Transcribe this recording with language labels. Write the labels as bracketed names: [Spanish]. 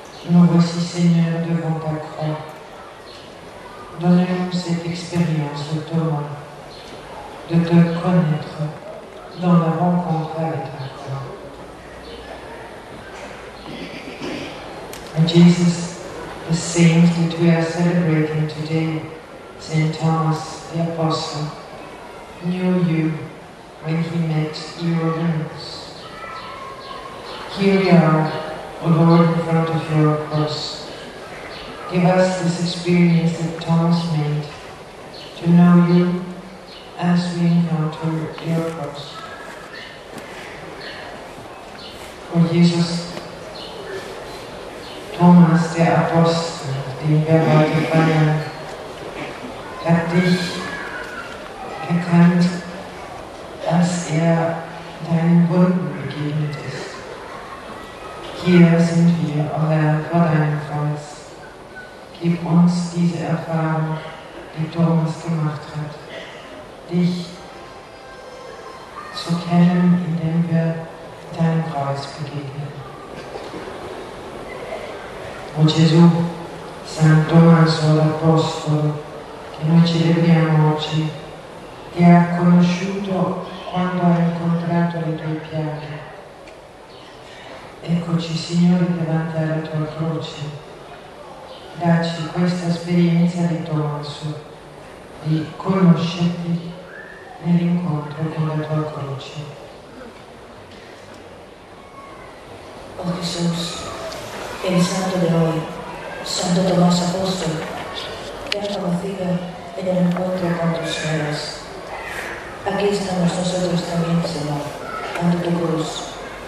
[French] Nous voici, Seigneur, devant ta croix. Donne-nous cette expérience, Thomas, de te connaître dans la rencontre avec ta croix. [English] Jésus, the saint that we are celebrating today, Saint Thomas the Apostle, knew you when he met your hands. Here we are, O Lord, in front of your cross. Give us this experience that Thomas made to know you as we encounter your cross. [German] O Jesus, Thomas, der Apostel, den wir heute feiern, hat dich erkannt, als er deinen Wunden begegnet ist. Hier sind wir, O Herr, vor deinem Kreuz. Gib uns diese Erfahrung, die Thomas gemacht hat, dich zu kennen, indem wir deinem Kreuz begegnen. [Italian] O Gesù, San Tommaso, l'Apostolo, che noi celebriamo oggi, ti ha conosciuto quando ha incontrato le tue piaghe. Eccoci, Signore, davanti alla tua croce. Dacci questa esperienza di Tommaso, di conoscerti nell'incontro con la tua croce. [Spanish] O Gesù, pensando di noi, Santo Tomás Apóstol, que has conocido en el encuentro con tus señores. Aquí estamos nosotros también, Señor, ante tu cruz.